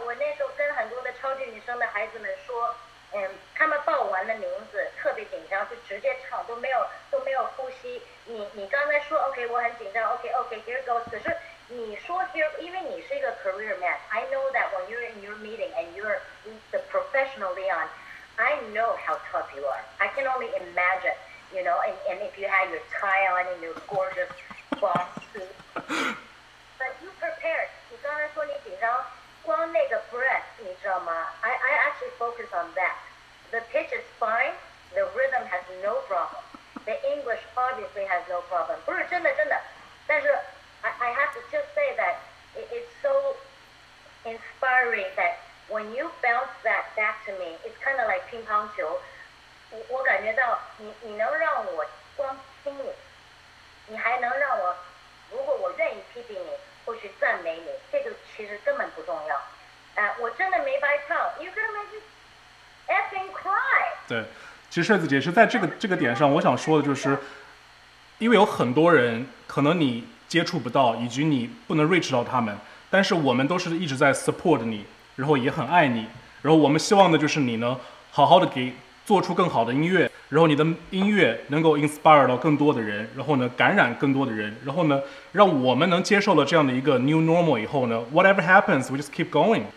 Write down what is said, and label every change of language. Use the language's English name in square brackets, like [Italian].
[Chinese] 我那时候跟很多的超级女生的孩子们说，他们报完了名字，特别紧张，就直接唱，都没有呼吸。你刚才说 OK， 我很紧张 ，OK， [English] here goes。 [Chinese] 可是你说 here， 因为你是一个 [English] career man，I know that when you're in your meeting and you're the professional Leon，I know how tough you are。 I can only imagine，you know，and if you had your tie on and your gorgeous boss suit，but you prepared。 [Chinese] 你刚才说你紧张，光那个 breath， 你知道吗 ？ [English] I actually focus on that。 The pitch is fine， the rhythm has no problem。 The English obviously has no problem. [Chinese] 不是真的，但是 [English] I have to just say that it's so inspiring that when you bounce that back to me, it's kind of like 乒乓球。 [Chinese] 我感觉到你能让我光听你，你还能让我，如果我愿意批评你或许赞美你，这个其实根本不重要。我真的没白唱。 [English] You're gonna make me effing cry. [Chinese] 对。其实帅子姐是在这个点上，我想说的就是，因为有很多人可能你接触不到，以及你不能 reach 到他们，但是我们都是一直在 support 你，然后也很爱你，然后我们希望的就是你能好好的给做出更好的音乐，然后你的音乐能够 inspire 到更多的人，然后呢感染更多的人，然后呢让我们能接受了这样的一个 [English] new normal [Chinese] 以后呢 [English] whatever happens we just keep going。